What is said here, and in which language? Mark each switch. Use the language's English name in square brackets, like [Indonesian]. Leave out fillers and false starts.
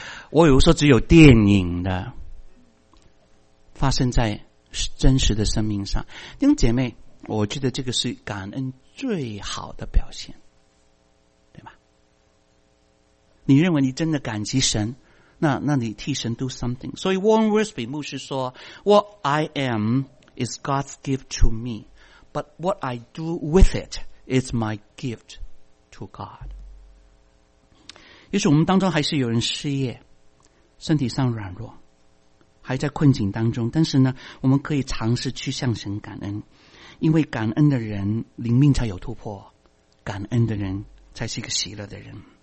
[Chinese] 我有时候只有电影的发生在真实的生命上。弟兄姐妹，我觉得这个是感恩最好的表现，对吧？你认为你真的感激神，那你替神 [English] do something。 [Chinese] 所以 [English] Warren Wiersbe [Chinese] 牧师说， [English] What I am is God's gift to me, but what I do with it is my gift to God。 [Chinese] 也许我们当中还是有人失业，身体上软弱，还在困境当中，但是呢，我们可以尝试去向神感恩，因为感恩的人灵命才有突破，感恩的人才是一个喜乐的人。